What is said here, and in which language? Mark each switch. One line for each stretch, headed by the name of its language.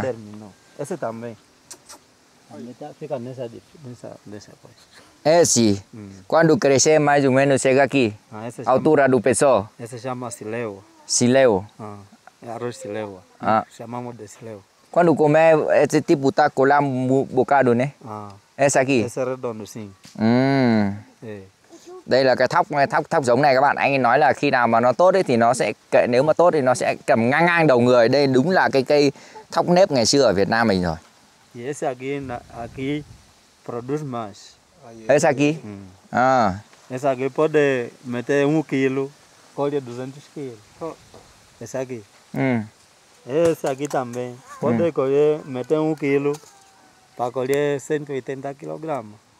Portuguese: Terminou. Esse também. Fica nessa coisa. Esse, quando crescer, mais ou menos chega aqui, chama, altura do pessoal. Esse chama sileu. Sileu? É arroz sileu. Ah. Chamamos de sileu. Quando comer, esse tipo tá colando um bocado, né? Ah. Esse aqui? Esse é redondo, sim. É.
Vietnamese: Đây là cái thóc giống này các bạn. Anh ấy nói là khi nào mà nó tốt ấy thì nó sẽ, nếu mà tốt thì nó sẽ cầm ngang đầu người. Đây đúng là cái cây thóc nếp ngày xưa ở Việt Nam mình rồi.
Portuguese: Esse aqui produce mais. Esse aqui? Esse aqui pode meter 1 kg, colhe 200 kg.
Spanish: Es aquí. Es aquí también. Puedo coger, meter un kilo para coger 180 kilogramos.